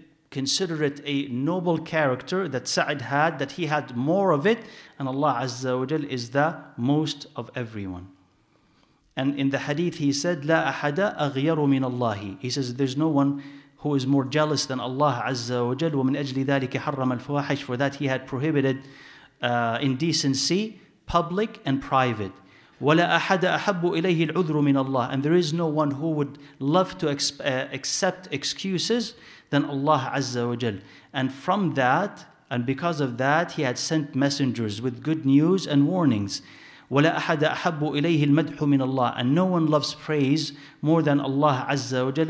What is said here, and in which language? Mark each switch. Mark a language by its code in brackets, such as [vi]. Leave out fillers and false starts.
[en] Consider it a noble character that Sa'd had, that he had more of it, and Allah Azza wa Jal is the most of everyone. And in the hadith he said, [ar] لا أحد أغير من الله. [en] He says, there's no one who is more jealous than Allah Azza wa Jal. [ar] ومن أجل ذلك حرم الفواحش. [en] For that he had prohibited indecency, public and private. [ar] ولا أحد أحب إليه العذر من الله. [en] And there is no one who would love to accept excuses than Allah Azza wa Jal. And from that, and because of that, he had sent messengers with good news and warnings. [ar] وَلَا أَحَدَ أَحَبُّ إِلَيْهِ الْمَدْحُ مِنَ اللَّهِ. [en] And no one loves praise more than Allah Azza wa Jal.